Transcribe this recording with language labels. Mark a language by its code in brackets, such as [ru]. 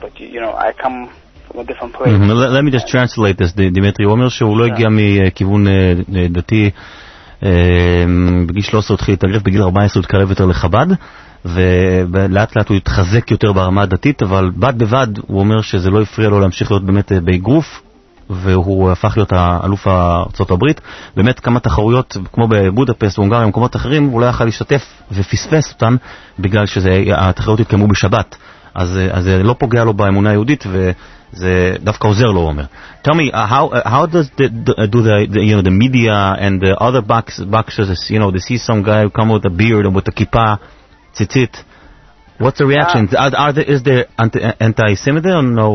[en] But, you know, I come from a different place. Mm-hmm. Let me just translate this, Dimitri. He says that he didn't come from a religious background. He started to get into the [he] 14th grade, and he started to get into the ולאט לאט הוא התחזק יותר ברמה הדתית, אבל בד בבד הוא אומר שזה לא הפריע לו להמשיך להיות באמת באגרוף, והוא הפך להיות האלוף ארצות הברית. באמת כמה תחרויות כמו בבודפסט, הונגריה, מקומות אחרים, הוא לא יכל להשתתף ופספס אותן בגלל שהתחרויות התקיימו בשבת. אז זה לא פוגע לו באמונה היהודית, וזה דווקא עוזר לו, הוא אומר. [en] Tell me, how does the, you know, the media and the other boxers, you know, they see some guy who come with a beard and with a kippah, tzitzit, what's the reaction? Is there anti-Semitism or no?